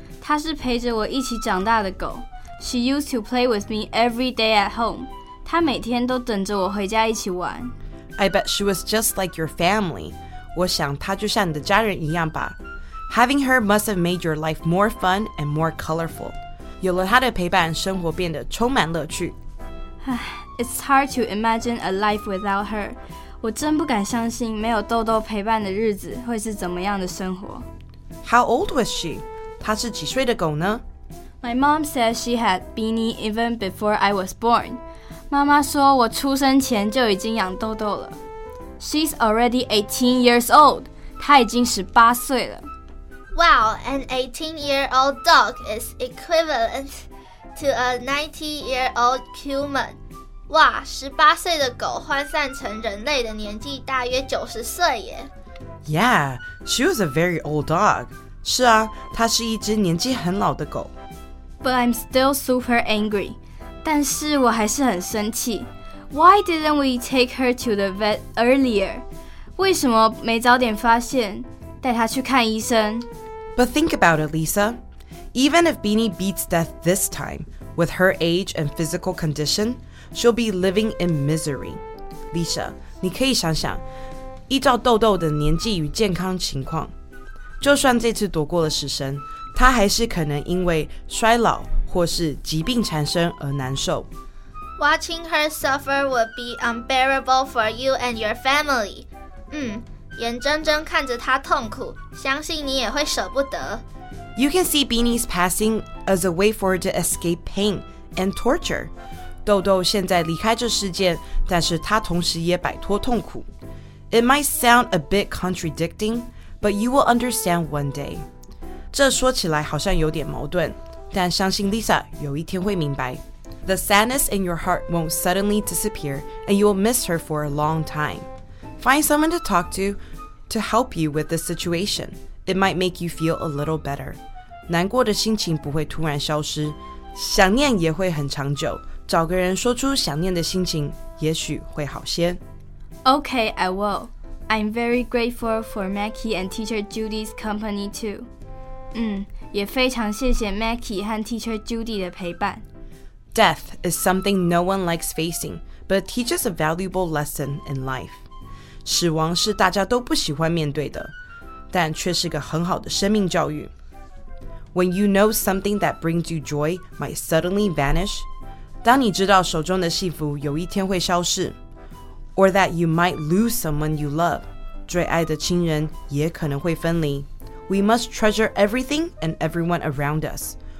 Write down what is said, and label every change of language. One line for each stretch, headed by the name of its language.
Chinese: 她是陪着我一起长大的狗。
English: She used to play with me every day at home.
Chinese: 她每天都等着我回家一起玩。
English: I bet she was just like your family.
Chinese: 我想她就像你的家人一样吧。
English: Having her must have made your life more fun and more colorful.
Chinese: 有了她的陪伴，生活变得充满乐趣。
English: It's hard to imagine a life without her.
Chinese: 我真不敢相信没有豆豆陪伴的日子会是怎么样的生活。
English: How old was she?
Chinese: 她是几岁的狗呢？
English: My mom said she had Beanie even before I was born.
Chinese: 妈妈说我出生前就已经养豆豆了。
English: She's already 18 years old.
Chinese: 她已经18岁了。
English: Wow, an 18-year-old dog is equivalent to a 90-year-old human.
Chinese: 哇，十八岁的狗换算成人类的年纪大约九十岁耶。
English: Yeah, she was a very old dog.
Chinese: 是啊，她是一只年纪很老的狗。
English: But I'm still super angry.
Chinese: 但是我还是很生气。
English: Why didn't we take her to the vet earlier?
Chinese: 为什么没早点发现，带她去看医生？
English: But think about it, Lisa. Even if Beanie beats death this time, with her age and physical condition,She'll be living in misery.
Chinese: Lisa, 你可以想想，依照豆豆的年纪与健康情况，就算这次躲过了死神，她还是可能因为衰老或是疾病缠身而难受。
English: Watching her suffer would be unbearable for you and your family.
Chinese: 眼睁睁看着她痛苦，相信你也会舍不得。
English: You can see Beanie's passing as a way for her to escape pain and torture.
Chinese: 豆豆现在离开这世界，但是她同时也摆脱痛苦。
English: It might sound a bit contradicting, but you will understand one day.
Chinese: 这说起来好像有点矛盾，但相信 Lisa 有一天会明白。
English: The sadness in your heart won't suddenly disappear, and you will miss her for a long time. Find someone to talk to help you with this situation. It might make you feel a little better.
Chinese: 难过的心情不会突然消失，想念也会很长久。找个人说出想念的心情，也许会好些。
English: Okay, I will. I'm very grateful for Mackie and Teacher Judy's company too.
Chinese: 也非常谢谢 Mackie 和 Teacher Judy 的陪伴。
English: Death is something no one likes facing, but it teaches a valuable lesson in life.
Chinese: 死亡是大家都不喜欢面对的，但却是个很好的生命教育。
English: When you know something that brings you joy might suddenly vanish,
Chinese: 当你知道手中的幸福有一天会消失
English: or that you might lose someone you love,
Chinese: 最爱的亲人也可能会分离
English: we must treasure everything and everyone around us.